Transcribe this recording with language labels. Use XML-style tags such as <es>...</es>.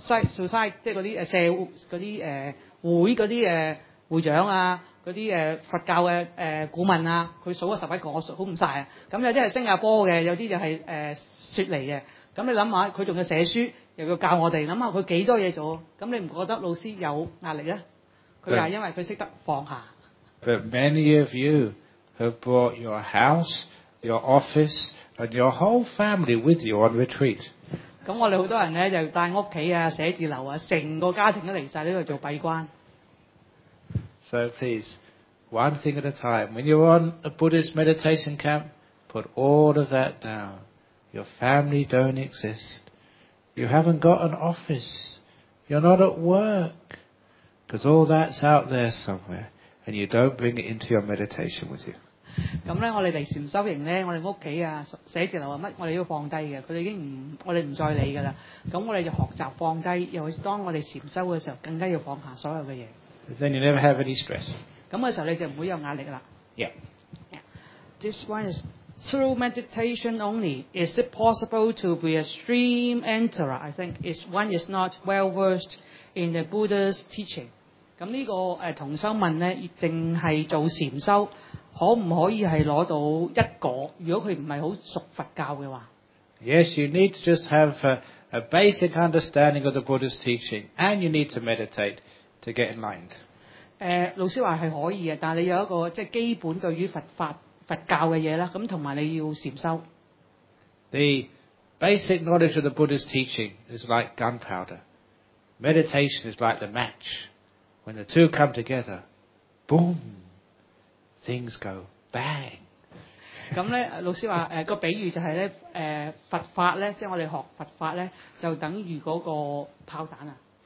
<yue>society 即係嗰啲社嗰啲會嗰啲會長啊，嗰啲佛教嘅顧問啊，佢數咗十幾個，我數唔曬啊。咁有啲係新加坡嘅，有啲就係雪梨嘅。咁你諗下，佢仲要寫書，又要教我哋，諗下佢幾多嘢做？咁你唔覺得老師有壓力咧？佢就係因為佢識得放下。</yue> <en>But many of you have brought your house, your office, and your whole family with you on retreat.</en> <yue>咁我哋好多人咧就帶屋企啊、寫字樓啊，成個家庭都嚟曬呢度做閉關。</yue> <en>So please, one thing at a time. When you're on a Buddhist meditation camp, put all of that down. Your family don't exist. You haven't got an office. You're not at work. Because all that's out there somewhere, and you don't bring it into your meditation with you.</en> <yue>咁咧，我哋嚟禅修营咧，我哋屋企啊、写字楼啊乜，我哋要放低嘅。佢哋已经我哋唔再理噶啦。咁我哋就学习放低，尤其是当我哋禅修嘅时候，更加要放下所有嘅嘢。</yue> <en>Then you never have any stress.</en> <yue>咁嘅时候你就唔会有压力啦。</yue> <en>Yeah. This one is through meditation only. Is it possible to be a stream enterer? I think is one is not well versed in the Buddha's teaching.</en> <yue>咁呢个同修问咧，净系做禅修。可唔可以係攞到一個？如果佢唔係好熟佛教嘅話</yue> <en>，Yes, you need to just have a basic understanding of the Buddha's teaching, and you need to meditate to get enlightened.</en> <yue>老師話係可以嘅，但你有一個即係基本對於佛教嘅嘢啦，咁同埋你要禅修。</yue> <en>The basic knowledge of the Buddha's teaching is like gunpowder. Meditation is like the match. When the two come together, boom. Things go bang.</en> <yue>咁咧，老師話個比喻就係咧佛法咧，即係我哋學佛法咧，就等於嗰個炮彈啊。</yue>